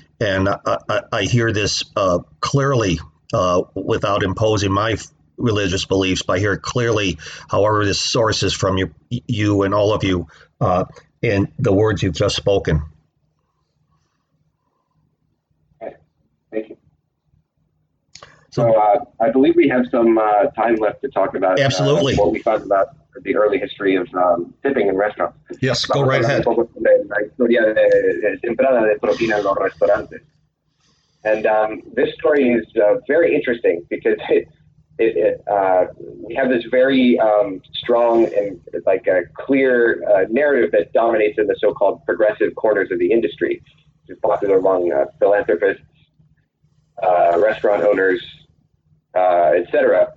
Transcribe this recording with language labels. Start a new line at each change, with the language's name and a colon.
English: And I hear this clearly, without imposing my religious beliefs, but I hear it clearly, however this sources from you and all of you, in the words you've just spoken. So I believe we have some time left to talk about absolutely what we found about the early history of tipping in restaurants. Yes, go right ahead.
Spanish: La historia temprana de propina en los restaurantes.
English: And this story is very interesting because we have this very strong and like a clear narrative that dominates in the so-called progressive corners of the industry, which is popular among philanthropists, restaurant owners, etc.